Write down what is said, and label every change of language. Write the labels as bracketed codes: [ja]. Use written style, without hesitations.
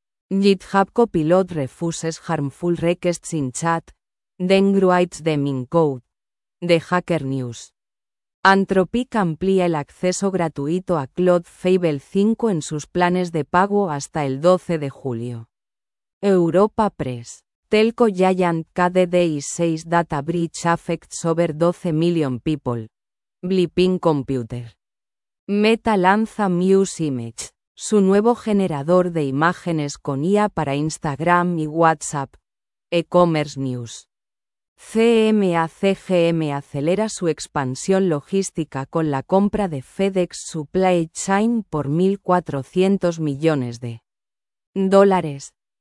[en] GitHub Copilot refuses harmful requests in chat. Then writes them in code. The Hacker News. [es] Anthropic amplía el acceso gratuito a Cloud Fable 5 en sus planes de pago hasta el 12 de julio. Europa Press. [en] Telco Giant KDDI6 Data Breach affects over 12 million people. Bleeping Computer. [es] Meta lanza Muse Image, su nuevo generador de imágenes con IA para Instagram y WhatsApp. E-commerce News. CMACGM acelera su expansión logística con la compra de FedEx Supply Chain por 1.400 millones de dólares.